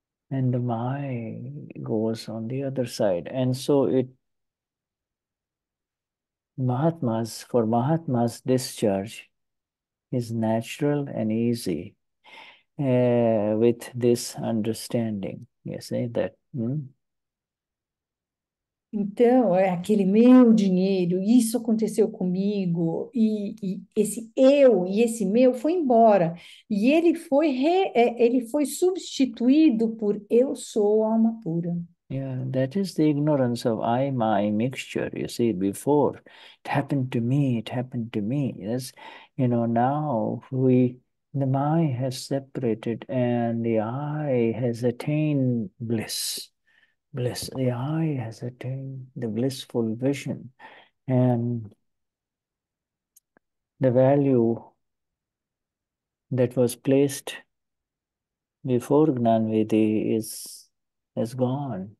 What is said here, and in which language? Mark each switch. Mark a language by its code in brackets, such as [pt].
[en] And the my goes on the other side. And so for Mahatmas, discharge is natural and easy with this understanding. You say that. [pt] Então, é aquele meu dinheiro, isso aconteceu comigo, e esse eu e esse meu foi embora. E ele foi substituído por eu sou a alma pura. [en] Yeah, that is the ignorance of I, my mixture. You see, before, it happened to me. Yes, you know, now the my has separated and the I has attained bliss. Bliss, the eye has attained the blissful vision, and the value that was placed before Gnanvedi has gone.